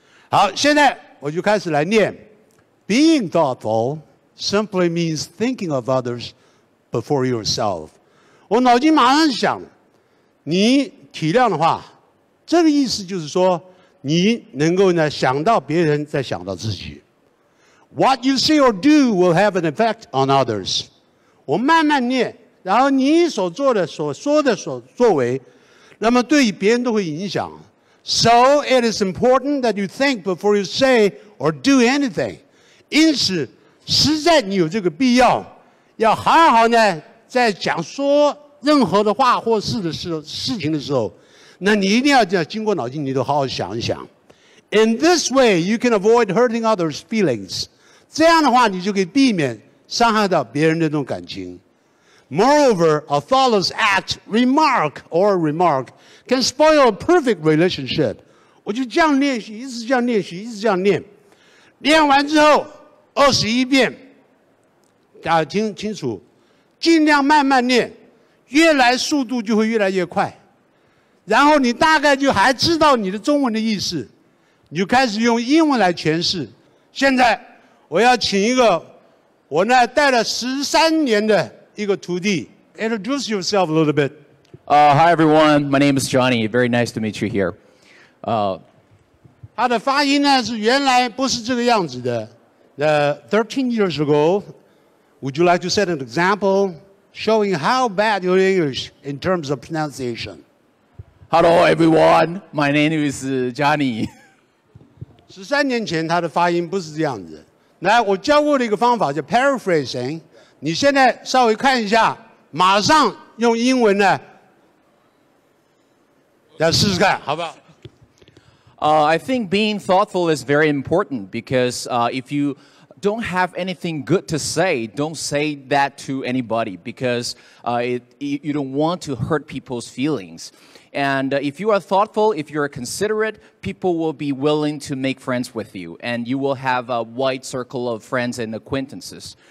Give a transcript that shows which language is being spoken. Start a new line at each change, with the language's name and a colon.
Chinese: 好，现在我就开始来念。
English: Being thoughtful simply means thinking of others before yourself。
Chinese: 我脑筋马上想，你体谅的话，这个意思就是说你能够呢想到别人再想到自己。
English: What you say or do will have an effect on others。
Chinese: 我慢慢念，然后你所做的所说的所作为，那么对别人都会影响。
English: So it is important that you think before you say or do anything。
Chinese: 因此实在你有这个必要，要好好呢在讲说任何的话或事的事情的时候，那你一定要这样经过脑筋，你都好好想一想。
English: In this way, you can avoid hurting others' feelings.
Chinese: 这样的话，你就可以避免伤害到别人的那种感情。
English: Moreover, a thoughtless act, remark, or remark can spoil a perfect relationship.
Chinese: 我就这样练习，一直这样练习，一直这样练。练完之后，21遍，大家听清楚，尽量慢慢练，越来速度就会越来越快。然后你大概就还知道你的中文的意思，你就开始用英文来诠释。现在我要请一个我呢带了13年的一个徒弟 ，
English: introduce yourself a little bit. Hi everyone, my name is Johnny. Very nice to meet you here.
Chinese: 他的发音呢是原来不是这个样子的。
English: 13 years ago, would you like to set an example showing how bad your English in terms of pronunciation? Hello everyone, my name is Johnny.
Chinese: 13年前他的发音不是这样子。来，我教过的一个方法叫 paraphrasing。你现在稍微看一下，马上用英文呢，来试试看，好不好？
English: I think being thoughtful is very important because if you don't have anything good to say, don't say that to anybody because you don't want to hurt people's feelings. And if you are thoughtful, if you are considerate, people will be willing to make friends with you and you will have a wide circle of friends and acquaintances.